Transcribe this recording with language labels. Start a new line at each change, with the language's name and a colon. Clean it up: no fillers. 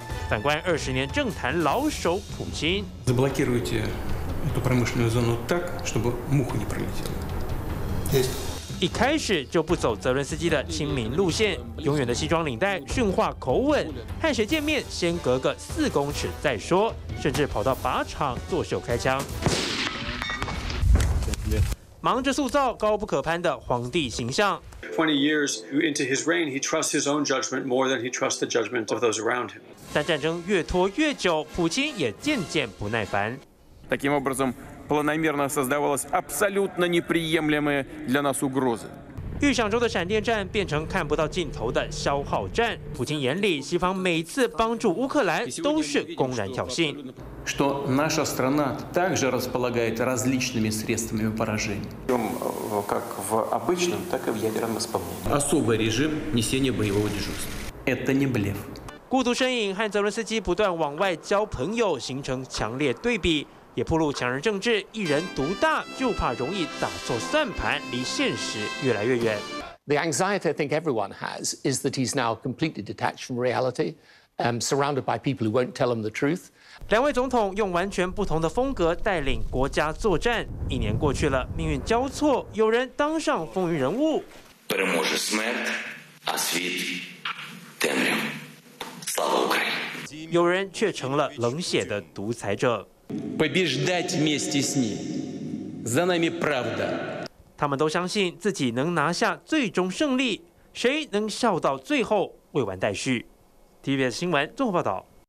Chinese: 反观二十年政坛老手普京。
Russian: Заблокируйте эту промышленную зону так, чтобы муха не пролетела.
English: Yes.
Chinese: 一开始就不走泽伦斯基的亲民路线，永远的西装领带、训话口吻，和谁见面先隔个四公尺再说，甚至跑到靶场作秀开枪，忙着塑造高不可攀的皇帝形象。
English: 20 years into his reign, he trusts his own judgment more than he trusts the judgment of those around him.
Chinese: 但战争越拖越久，普京也渐渐不耐烦。
Russian: Таким образом. Планомерно создавалась абсолютно неприемлемая для нас угроза.
Chinese: 预想中的闪电战变成看不到尽头的消耗战。普京眼里，西方每次帮助乌克兰都是公然挑衅。
Russian: Что наша страна также располагает различными средствами поражения. Как в обычном, так и в ядерном исполнении. Особый режим несения боевого дежурства. Это не блеф.
Chinese: 孤独身影和泽伦斯基不断往外交朋友，形成强烈对比。也暴露强人政治，一人独大，就怕容易打错算盘，离现实越来越远。
English: The anxiety I think everyone has is that he's now completely detached from reality, surrounded by people who won't tell him the truth.
Chinese: 两位总统用完全不同的风格带领国家作战，一年过去了，命运交错，有人当上风云人物。
Ukrainian: Переможе смерть, а світ темрю. Слава Україні.
Chinese: 有人却成了冷血的独裁者。
Russian: Побеждать вместе с ним. За нами правда.
Chinese: 他们都相信自己能拿下最终胜利，谁能笑到最后未完待续。 TVBS 新闻综合报道。